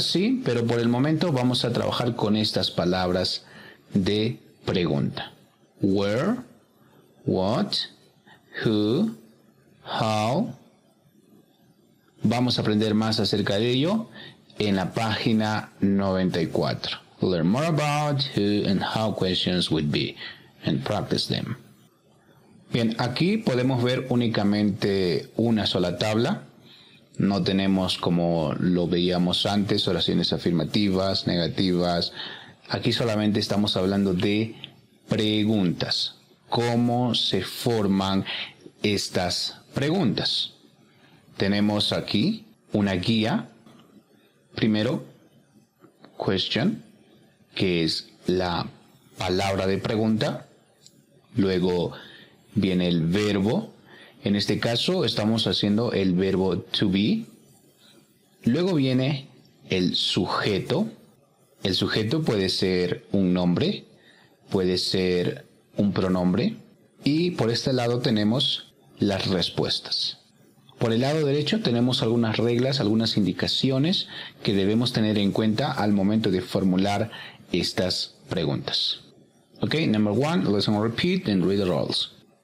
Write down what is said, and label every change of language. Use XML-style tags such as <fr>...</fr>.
<es>Sí, pero por el momento vamos a trabajar con estas palabras de pregunta.</es> <en>Where, what, who, how.</en> <es>Vamos a aprender más acerca de ello en la página 94.</es> <en>Learn more about who and how questions would be and practice them.</en> <es>Bien, aquí podemos ver únicamente una sola tabla. No tenemos como lo veíamos antes, oraciones afirmativas, negativas. Aquí solamente estamos hablando de preguntas. ¿Cómo se forman estas preguntas? Tenemos aquí una guía. Primero, question, que es la palabra de pregunta. Luego viene el verbo. En este caso estamos haciendo el verbo to be. Luego viene el sujeto. El sujeto puede ser un nombre, puede ser un pronombre. Y por este lado tenemos las respuestas. Por el lado derecho tenemos algunas reglas, algunas indicaciones que debemos tener en cuenta al momento de formular estas preguntas.</es> <en>Okay, number one, listen and repeat and read the roles.</en>